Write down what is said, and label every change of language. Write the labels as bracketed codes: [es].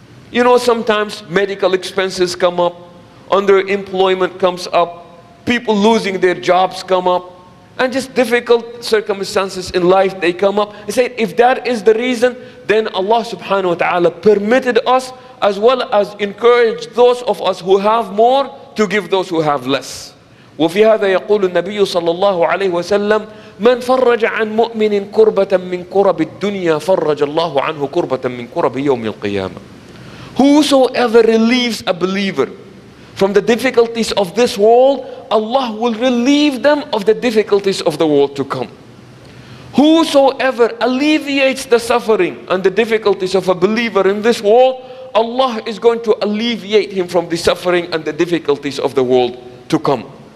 [en] You know, sometimes medical expenses come up, underemployment comes up, people losing their jobs come up, and just difficult circumstances in life, they come up. They say, if that is the reason, then Allah subhanahu wa ta'ala permitted us as well as encourage those of us who have more to give those who have less. [ar] وفي هذا يقول النبي صلى الله عليه وسلم من فرج عن مؤمن كربة من كرب الدنيا فرج الله عنه كربة من كرب يوم القيامة. [en] Whosoever relieves a believer from the difficulties of this world, Allah will relieve them of the difficulties of the world to come. Whosoever alleviates the suffering and the difficulties of a believer in this world, Allah is going to alleviate him from the suffering and the difficulties of the world to come.